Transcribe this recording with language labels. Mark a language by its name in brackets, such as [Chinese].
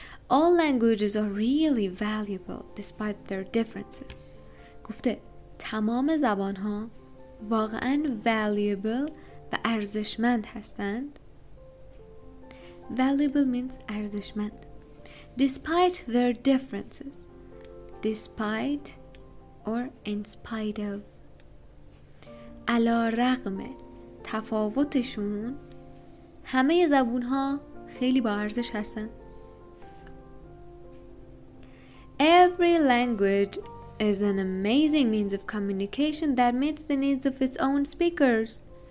[English] All languages are really valuable despite their differences. [Persian] گفته تمام زبان ها واقعا valuable و ارزشمند هستند. [English] Valuable means ارزشمند. Despite their differences. Despite or in spite of. [Persian] علی‌رغم تفاوتشون همه زبان ها خیلی با ارزش هستند. [English] Every language is an amazing means of communication that meets the needs of its own speakers.